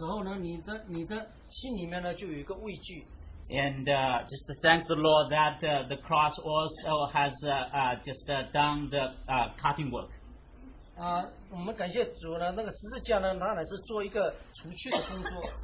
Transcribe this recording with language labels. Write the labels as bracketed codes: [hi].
[zh] 在那个时候呢，你的心里面呢就有一个畏惧。 [en] And just thanks the Lord that the cross also has just done the cutting work. [zh] 我们感谢主呢，那个十字架呢，它乃是做一个除去的工作。